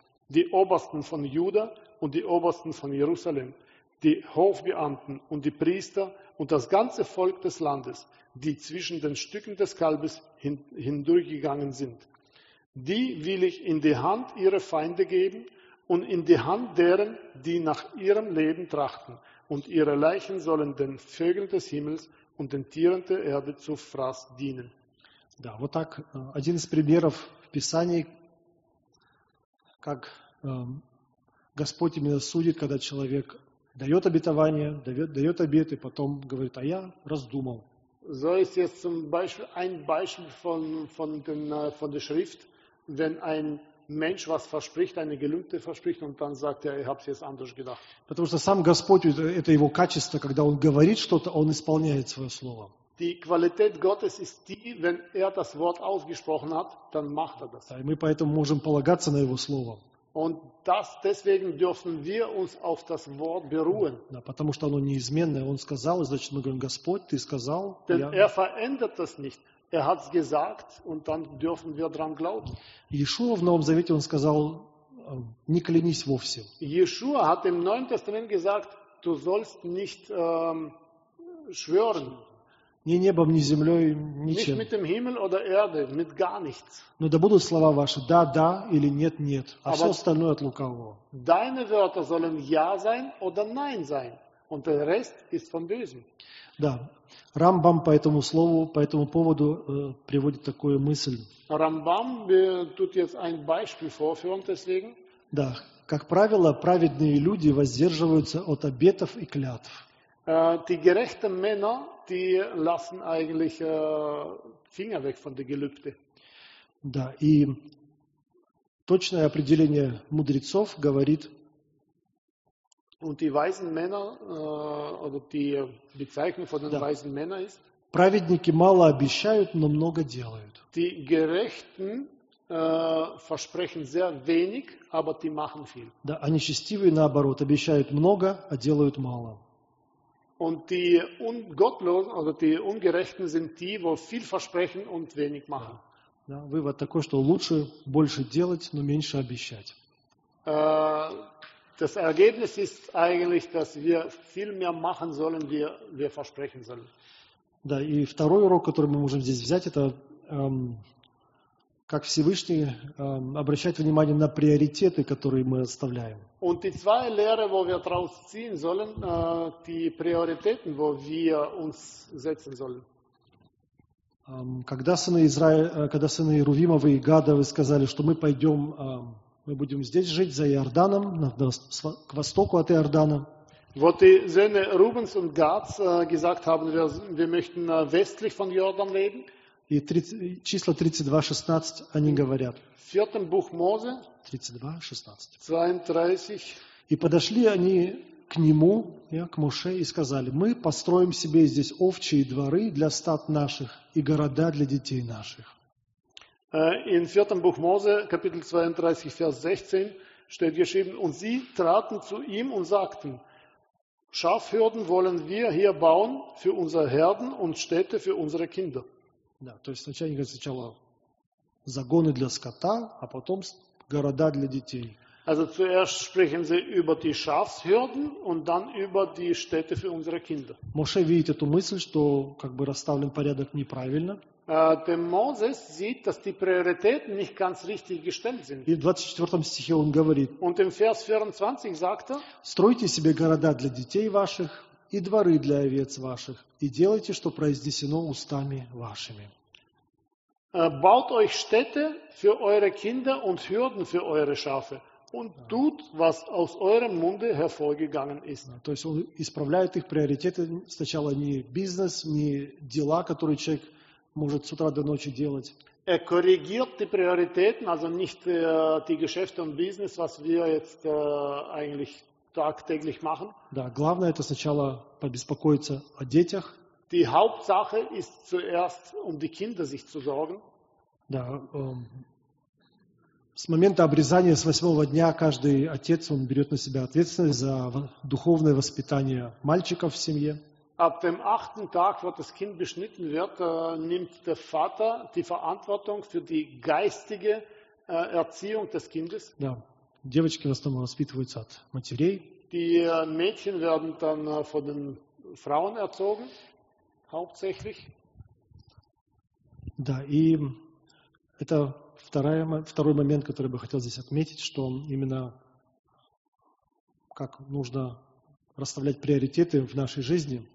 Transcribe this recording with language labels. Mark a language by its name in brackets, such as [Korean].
[German] Die Obersten von Juda und die Obersten von Jerusalem, die Hofbeamten und die Priester und das ganze Volk des Landes, die zwischen den Stücken des Kalbes hindurchgegangen sind. Die will ich in die Hand ihrer Feinde geben und in die Hand deren, die nach ihrem Leben trachten. Und ihre Leichen sollen den Vögeln des Himmels und den Tieren der Erde zu Fraß dienen. [Russian] Да, вот так, один из примеров в Писании, как Господь именно судит, когда человек дает обетование, дает обет, и потом говорит, а я раздумал. [German] So ist jetzt zum Beispiel ein Beispiel von der Schrift, wenn ein Mensch was verspricht, eine Gelübde verspricht und dann sagt er, ich habe es jetzt anders gedacht. [Russian] Потому что сам Господь, это его качество, когда он говорит что-то, он исполняет свое слово. [German] Die Qualität Gottes ist die, wenn er das Wort ausgesprochen hat, dann macht er das. [Russian] Да, и мы поэтому можем полагаться на его слово. [German] Und das, deswegen dürfen wir uns auf das Wort beruhen. [Russian] Да, потому что оно неизменное. Он сказал, значит, мы говорим, Господь, ты сказал. [German] Denn er verändert das nicht. Er hat es gesagt und dann dürfen wir dran glauben. [Russian] Иешуа в Новом Завете, он сказал, не клянись вовсе. [German] Иешуа hat im Neuen Testament gesagt, du sollst nicht schwören. [Russian] Ни небом, ни землей, ничем. [German] Nicht mit dem Himmel oder Erde, mit gar nichts. [Russian] Но да будут слова ваши «да», «да» или «нет», «нет», а все остальное от лукавого. [German] Deine Wörter sollen «ja» sein oder «nein» sein. Und der Rest ist von Bösen. [Russian] Да. Рамбам по этому слову, по этому поводу приводит такую мысль. [German] Рамбам tut jetzt ein Beispiel vorführen, deswegen. [Russian] Да. Как правило, праведные люди воздерживаются от обетов и клятв. [German] Die gerechten Männer, die lassen eigentlich Finger weg von der Gelübde. [Russian] Да, и точное определение мудрецов говорит. [German] Und die weisen Männer, oder die Bezeichnung von den weisen Männern ist. [Russian] Праведники мало обещают, но много делают. [German] Die Gerechten versprechen sehr wenig, aber die machen viel. [Russian] Да, а нечестивые наоборот обещают много, а делают мало. [German] Und die Ungottlosen, also die Ungerechten, sind die, wo viel versprechen und wenig machen. [Russian] Да, вывод такой, что лучше больше делать, но меньше обещать. [German] Das Ergebnis ist eigentlich, dass wir viel mehr machen sollen, wie wir versprechen sollen. [Russian] Да, и второй урок, который мы можем здесь взять, это как Всевышний обращать внимание на приоритеты, которые мы оставляем. [German] Und die zwei Lehre, wo wir draus ziehen sollen, die Prioritäten, wo wir uns setzen sollen. [Russian] Когда сыны Рувимовы и Гадовы сказали, что мы пойдем, мы будем здесь жить, за Иорданом, к востоку от Иордана. Вот и сыны Рубенс и Гадс [German] gesagt haben, wir möchten westlich von Jordan leben. [Russian] И числа 32:16 они говорят. В четвертом [German] Бух Мозе [Russian] 32:16. И подошли они к нему, к Моше, и сказали: мы построим себе здесь овчие дворы для стад наших и города для детей наших. [German] In 4. Buch Mose, Kapitel 32, Vers 16, steht geschrieben: und sie traten zu ihm und sagten: Schafhürden wollen wir hier bauen für unsere Herden und Städte für unsere Kinder. [Russian] Да, то есть сначала загоны для скота, а потом города для детей. [German] Also zuerst sprechen sie über die Schafshürden und dann über die Städte für unsere Kinder. [Russian] Моше видит эту мысль, что как бы расставлен порядок неправильно. [German] Der Moses sieht, dass die Prioritäten nicht ganz richtig gestellt sind. [Russian] И в 24 стихе он говорит. [German] Und im Vers 24 sagt er: [Russian] «Стройте себе города для детей ваших и дворы для овец ваших, и делайте, что произнесено устами вашими». [German] Baut euch Städte für eure Kinder und Hürden für eure Schafe. Und tut, was aus eurem Munde hervorgegangen ist. [Russian] То есть он исправляет их приоритеты. Сначала не бизнес, не дела, которые человек может с утра до ночи делать. [German] Er korrigiert die Prioritäten, also nicht die Geschäfte und Business, was wir jetzt eigentlich tagtäglich machen. [Russian] Да, главное это сначала побеспокоиться о детях. [German] Die Hauptsache ist zuerst, um die Kinder sich zu sorgen. [Russian] Да, с момента обрезания, с восьмого дня, каждый отец, он берет на себя ответственность за духовное воспитание мальчиков в семье. [German] Ab dem achten Tag, wo das Kind beschnitten wird, nimmt der Vater die Verantwortung für die geistige Erziehung des Kindes. [Russian] Да, девочки в основном воспитываются от матерей. [German] Die Mädchen werden dann von den Frauen erzogen, hauptsächlich. [Russian] Да, и это второй момент, который я бы хотел здесь отметить, что именно как нужно расставлять приоритеты в нашей жизни.